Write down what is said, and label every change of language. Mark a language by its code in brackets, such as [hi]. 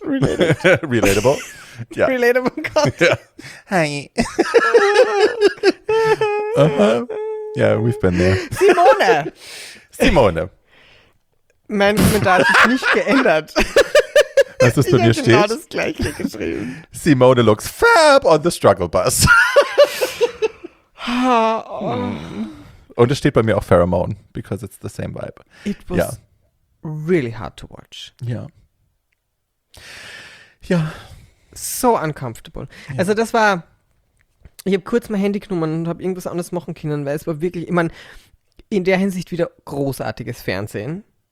[en] Relatable. Ja. Relatable Content. [de] Ja. [en] Hi. Yeah, we've been there. Simone. [de] Mein Kommentar hat sich nicht geändert. Was das bei mir steht? Genau das gleiche geschrieben. [en] Simone looks fab on the struggle bus. [de] Und es steht bei mir auch Pheromone, [en] because it's the same vibe. It was. Ja. Really hard to watch. [de] Ja. [en] Ja. So uncomfortable. Ja. [de] Also das war, ich habe kurz mein Handy genommen und habe irgendwas anderes machen können, weil es war wirklich, ich meine, in der Hinsicht wieder großartiges Fernsehen.